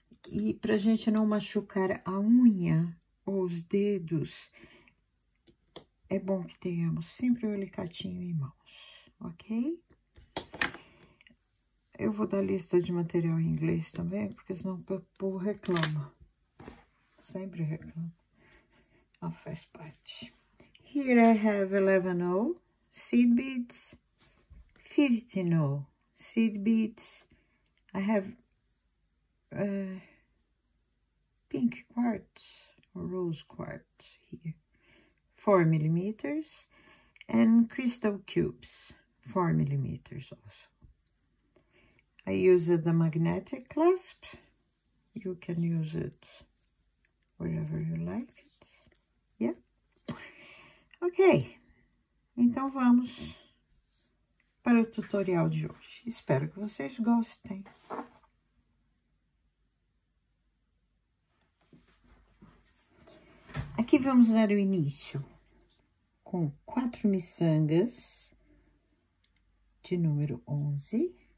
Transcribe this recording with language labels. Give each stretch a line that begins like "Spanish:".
Portuguese: E para a gente não machucar a unha ou os dedos, é bom que tenhamos sempre o alicatinho em mãos. Ok? Eu vou dar lista de material em inglês também, porque senão o povo reclama. Sempre reclama. Ah, faz parte.
English: Here I have 11-0 seed beads, 15-0 seed beads. I have pink quartz, rose quartz here, 4 millimeters. and crystal cubes, 4 millimeters also. I use the magnetic clasp. You can use it wherever you like it. Yeah. Okay.
Portuguese: Então vamos para o tutorial de hoje. Espero que vocês gostem. Aqui vamos dar o início com 4 miçangas de número 11.